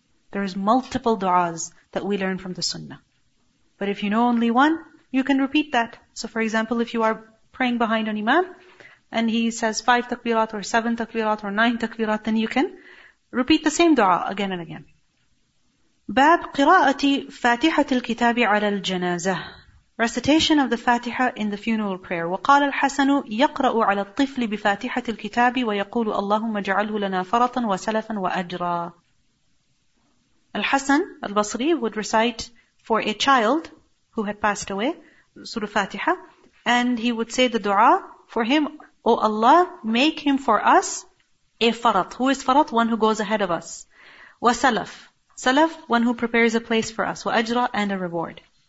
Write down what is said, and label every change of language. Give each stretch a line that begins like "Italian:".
English: There is multiple du'as that we learn from the sunnah. But if you know only one, you can repeat that. So for example, if you are praying behind an imam, and he says five takbirat, or seven takbirat, or nine takbirat, then you can repeat the same dua again and again.
Arabic: باب قراءة فاتحة الكتاب على الجنازة.
English: Recitation of the Fatiha in the funeral prayer.
Arabic: وقال الحسن يقرأ على الطفل بفاتحة الكتاب ويقول اللهم اجعله لنا فرطا وسلفا وأجرا.
English: الحسن البصري would recite for a child who had passed away, Surah Fatiha, and he would say the dua for him, O Allah, make him for us a farat. Who is farat? One who goes ahead of us. Wa salaf. Salaf, one who prepares a place for us. Wa ajra, and a reward.